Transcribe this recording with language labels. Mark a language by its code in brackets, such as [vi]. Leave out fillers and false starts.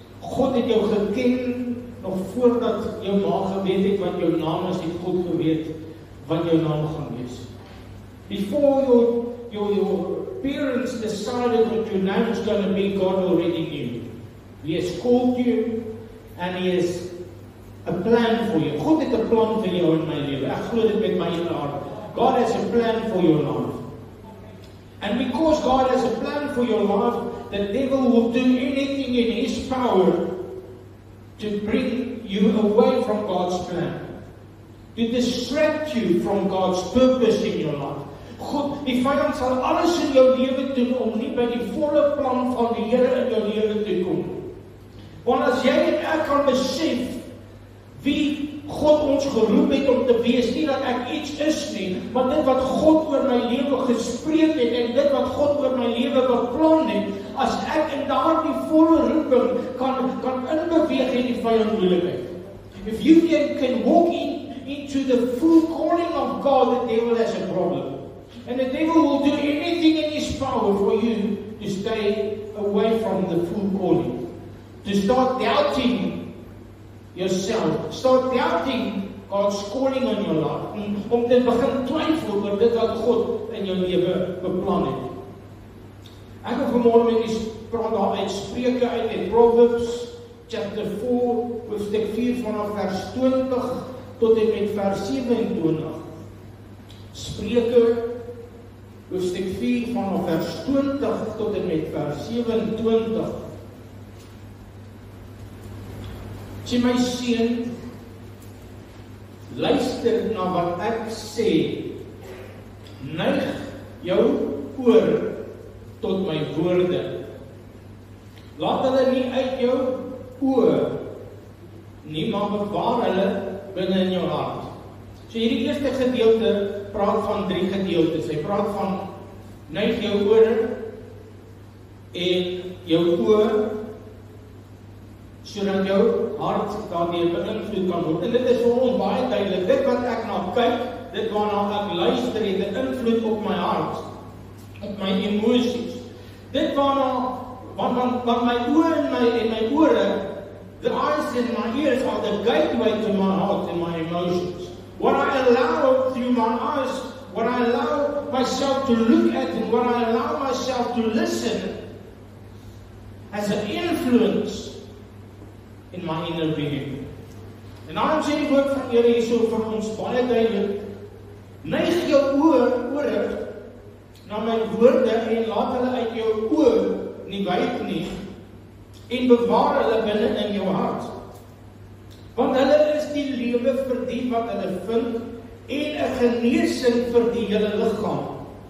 [af] God het jou geken nog voordat jou ma geweet het wat jou naam is, het God geweet wat jou naam gaan wees. [en] Before your parents decided what your name is going to be, God already knew. He has called you and he has a plan for you. [af] God het 'n plan vir jou in my lewe. Ek glo dit met my hele hart. [en] God has a plan for your life. And because God has a plan for your life, the devil will do anything in his power to bring you away from God's plan, to distract you from God's purpose in your life. [af] God, die vyand sal alles in jou lewe doen om nie by die volle plan van die Here in jou lewe te kom. Want as jy en ek kan besef wie God ons geroep het om te wees, nie dat ek iets is nie, maar dit wat God oor my lewe gespreek het en dit wat God oor my lewe beplan het, as ek in daardie volle roeping kan inbeweeg in die vyand moeilikheid. [en] If you can walk into the full calling of God, the devil has a problem. And the devil will do anything in his power for you to stay away from the full calling. To start doubting yourself. Start doubting God's calling on your life. [af] Om te begin twyfel oor dit wat God in jou lewe beplan het. Ek wil vanmôre met julle praat daar uit Spreuke uit en [en] Proverbs chapter 4, [af] hoofstuk 4 vanaf vers 20 tot en met vers 27. Spreuke hoofstuk 4 vanaf vers 20 tot en met vers 27. Sê my seun, luister na wat ek sê. Neig jou oor tot my woorde. Laat hulle nie uit jou oë nie, maar bewaar hulle binne in jou hart. So hierdie eerste gedeelte praat van drie gedeeltes. Hy praat van neig jou oor en jou oë sodat jou hart daarmee beïnvloed kan word. En dit is vir ons baie duidelik. Dit wat ek na kyk, dit waarna ek luister, het 'n invloed op my hart, op my emosies. Dit waarna wat my oë en my ore, [en] the eyes and my ears are the gateway to my heart and my emotions. What I allow through my eyes, what I allow myself to look at and what I allow myself to listen has an influence in my inner being. [af] En nou sê die woord van Here hierso vir ons baie duidelik. Neig jou oor na my woorde en laat hulle uit jou oë nie wyk nie en bewaar hulle binne in jou hart. Want hulle is die lewe vir die wat hulle vind en 'n genesing vir die hele liggaam.